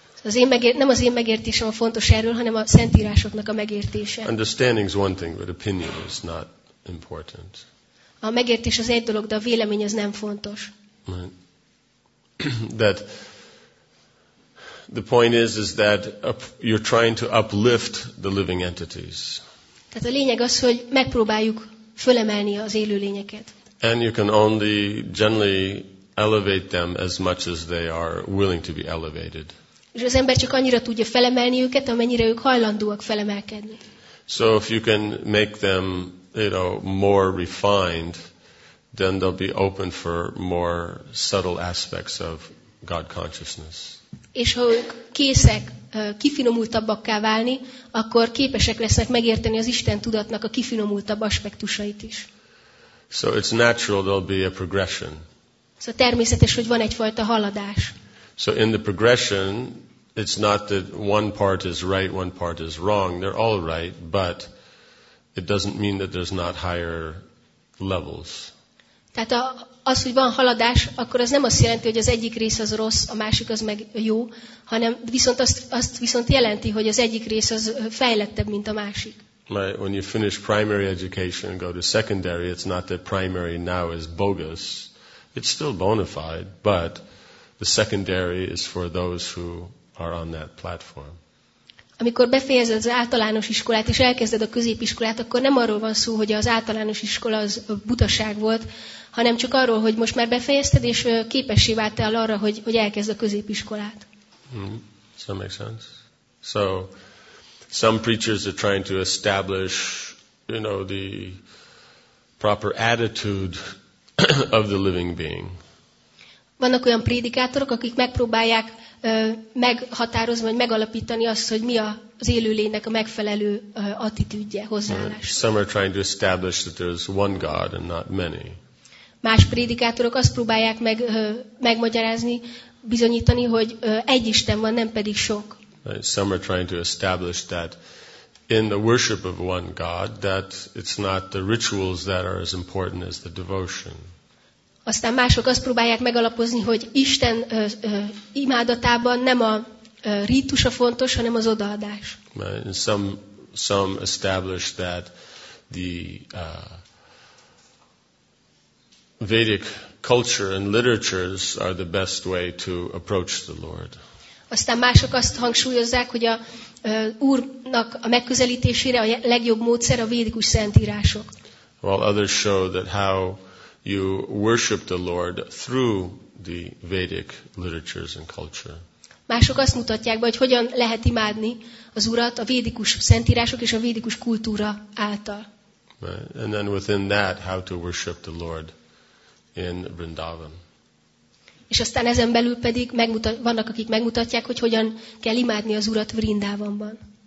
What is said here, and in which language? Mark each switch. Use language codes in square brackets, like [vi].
[hu] Nem az én megértésem a fontos erről, hanem a szentírásoknak a megértése. [en] Understanding is one thing, but opinion is not important. [hu] A megértés az egy dolog, de a vélemény az nem fontos. [en] That the point is that you're trying to uplift the living entities. [hu] Tehát a lényeg az, hogy megpróbáljuk fölemelni az élő lényeket. [en] And you can only generally elevate them as much as they are willing to be elevated. [hu] És az ember csak annyira tudja felemelni őket, amennyire ők hajlandóak felemelkedni. [en] So if you can make them, you know, more refined, then they'll be open for more subtle aspects of God consciousness. [hu] És ha ők készek kifinomultabbakká válni, akkor képesek lesznek megérteni az Isten tudatnak a kifinomultabb aspektusait is. [en] So it's natural there'll be a progression. [hu] Szóval természetes, hogy van egyfajta haladás. [en] So in the progression, it's not that one part is right, one part is wrong. They're all right, but it doesn't mean that there's not higher levels. [hu] Tehát az, hogy van haladás, akkor az nem azt jelenti, hogy az egyik rész az rossz, a másik az meg jó, hanem viszont azt viszont jelenti, hogy az egyik rész az fejlettebb, mint a másik. [en] Right, when you finish primary education and go to secondary, it's not that primary now is bogus. It's still bona fide, but the secondary is for those who are on that platform. [hu] Amikor befejezed az általános iskolát és elkezded a középiskolát, akkor nem arról van szó, hogy az általános iskola az butaság volt, hanem csak arról, hogy most már befejezted és képessé váltál arra, hogy elkezd a középiskolát. [en] Does that make sense? So some preachers are trying to establish, you know, the proper attitude of the living being. [hu] Vannak olyan prédikátorok, akik megpróbálják meghatározni, vagy megalapítani azt, hogy mi az élőlénynek a megfelelő attitűdje, hozzáállása. [en] Some are trying to establish that there is one God and not many. [hu] Más prédikátorok azt próbálják megmagyarázni, bizonyítani, hogy egy Isten van, nem pedig sok. [en] Some are trying to establish that in the worship of one God, that it's not the rituals that are as important as the devotion. [hu] Aztán mások azt próbálják megalapozni, hogy Isten imádatában nem a rítus a fontos, hanem az odaadás. [en] Some establish that the Vedic culture and literatures are the best way to approach the Lord. [hu] Aztán mások azt hangsúlyozzák, hogy a Úrnak a megközelítésére a legjobb módszer a védikus szentírások. [en] While others show that how you worship the Lord through the Vedic literatures and culture. [hu] Mások azt mutatják be, hogy hogyan lehet imádni az Urat a védikus szentírások és a védikus kultúra által. [en] Right. And then within that, how to worship the Lord in Vrindavan. [hu] És aztán ezen belül pedig vannak, akik megmutatják, hogy hogyan kell imádni az Urat Vrindavanban.